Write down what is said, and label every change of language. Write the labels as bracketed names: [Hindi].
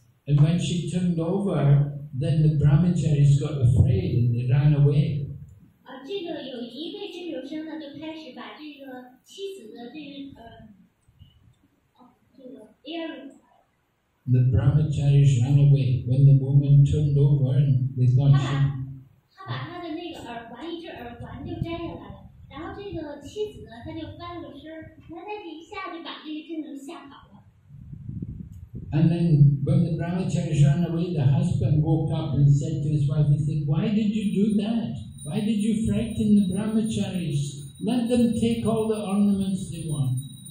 [English] And when she turned over, then the brahmacharis got afraid and they ran away. This The brahmacharis ran away when the woman turned over and they thought she. [Chinese] 他把他的那个耳环就摘下来了，然后这个妻子呢，他就翻个身，他在地下就把这个真龙吓跑了。 [English] And then when the brahmacharis ran away, the husband woke up and said to his wife, "He said, why did you do that? Why did you frighten the brahmacharis? Let them take all the ornaments they want."